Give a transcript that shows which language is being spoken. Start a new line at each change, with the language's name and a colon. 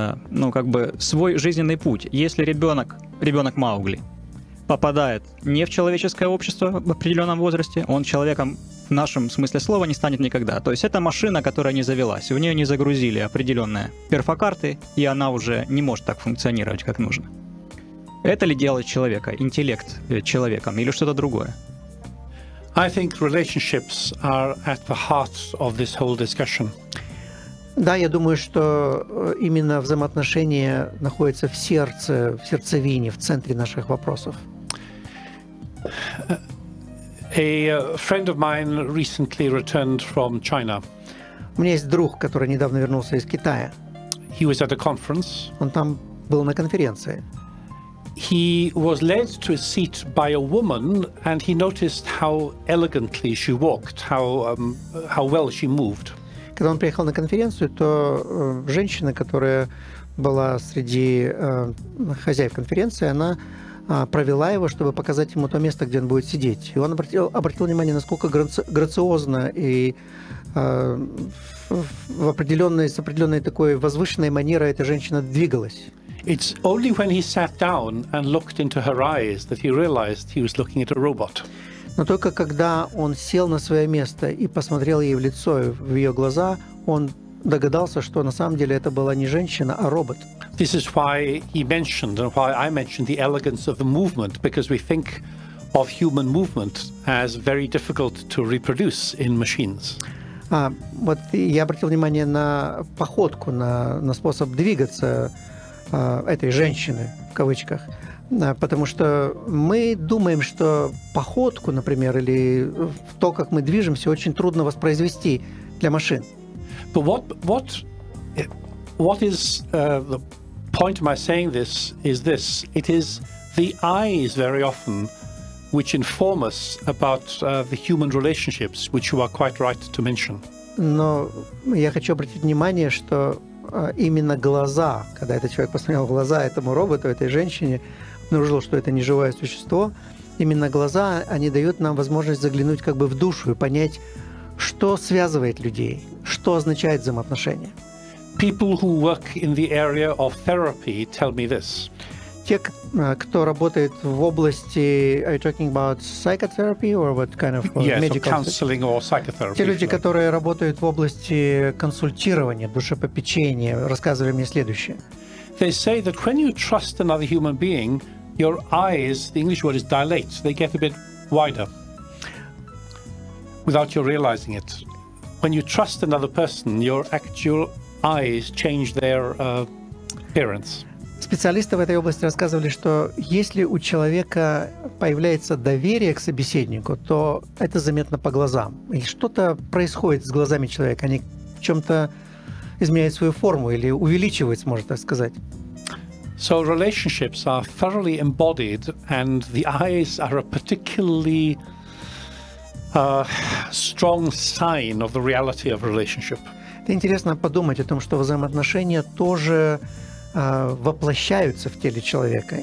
Russian: ну, как бы, свой жизненный путь. Если ребенок Маугли попадает не в человеческое общество в определенном возрасте, он человеком в нашем смысле слова не станет никогда. То есть это машина, которая не завелась, в нее не загрузили определенные перфокарты, и она уже не может так функционировать, как нужно. Это ли делает человека, интеллект человеком, или что-то другое?
English: I think relationships are at the heart of this whole discussion.
Russian: Да, я думаю, что именно взаимоотношения находятся в сердце, в сердцевине, в центре наших вопросов.
English: A friend of mine recently returned from China.
Russian: У меня есть друг, который недавно вернулся из Китая.
English: He was at a conference.
Russian: Он там был на конференции.
English: He was led to a seat by a woman, and he noticed how elegantly she walked, how well she moved.
Russian: Когда он приехал на конференцию, то женщина, которая была среди хозяев конференции, она провела его, чтобы показать ему то место, где он будет сидеть. И он обратил внимание, насколько грациозно и с определенной такой возвышенной манерой эта женщина двигалась.
English: It's only when he sat down and looked into her eyes that he realized he was looking at a robot.
Russian: Но только когда он сел на свое место и посмотрел ей в лицо, в ее глаза, он догадался, что на самом деле это была не женщина, а робот.
English: This is why he mentioned, and why I mentioned, the elegance of the movement, because we think of human movement as very difficult to reproduce in machines.
Russian: Вот я обратил внимание на походку, на способ двигаться этой женщины, в кавычках. Потому что мы думаем, что походку, например, или то, как мы движемся, очень трудно воспроизвести для машин.
English: But what is the point of my saying this is this. It is the eyes very often which inform us about the human relationships, which you are quite right to mention.
Russian: Но я хочу обратить внимание, что именно глаза, когда этот человек посмотрел в глаза этому роботу, этой женщине, обнаружил, что это не живое существо. Именно глаза, они дают нам возможность заглянуть как бы в душу и понять, что связывает людей, что означает взаимоотношения.
English: People who work in the area of therapy tell me this.
Russian: те, кто работает в области,
English: are you talking about psychotherapy or what kind of medical? Yes, or counseling or psychotherapy.
Russian: Те люди, которые работают в области консультирования, душепопечения, рассказывали мне следующее.
English: They say that when you trust another human being, your eyes, the English word is dilate, they get a bit wider without you realizing it. When you trust another person, your actual eyes change their appearance.
Russian: Специалисты в этой области рассказывали, что если у человека появляется доверие к собеседнику, то это заметно по глазам. И что-то происходит с глазами человека, они в чем-то изменяют свою форму или увеличивают, можно так сказать.
English: So relationships are thoroughly embodied, and the eyes are a particularly strong sign of the reality of a relationship.
Russian: Это интересно подумать о том, что взаимоотношения тоже воплощаются в теле человека.